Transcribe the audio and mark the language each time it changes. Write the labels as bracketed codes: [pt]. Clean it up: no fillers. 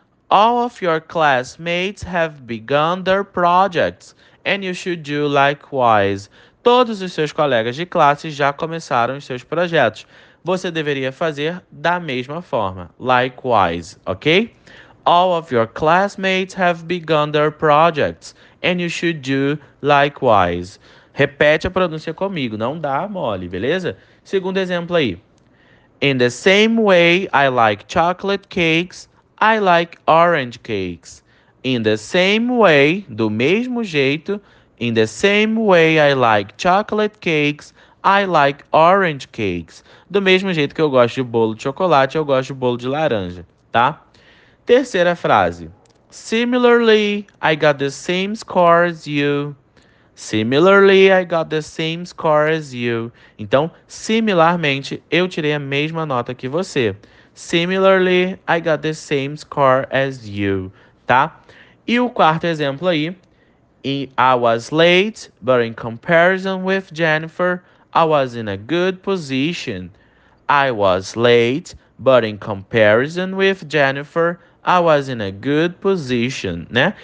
[en] All of your classmates have begun their projects and you should do likewise. [pt] Todos os seus colegas de classe já começaram os seus projetos. Você deveria fazer da mesma forma. Likewise, ok? [en] All of your classmates have begun their projects and you should do likewise. [pt] Repete a pronúncia comigo, não dá mole, beleza? Segundo exemplo aí. [en] In the same way I like chocolate cakes, I like orange cakes. In the same way, [pt] do mesmo jeito. [en] In the same way I like chocolate cakes, I like orange cakes. [pt] Do mesmo jeito que eu gosto de bolo de chocolate, eu gosto de bolo de laranja, tá? Terceira frase. [en] Similarly, I got the same score as you. Similarly, I got the same score as you. [pt] Então, similarmente, eu tirei a mesma nota que você. [en] Similarly, I got the same score as you, tá? [pt] E o quarto exemplo aí. [en] I was late, but in comparison with Jennifer, I was in a good position. I was late, but in comparison with Jennifer, I was in a good position, né?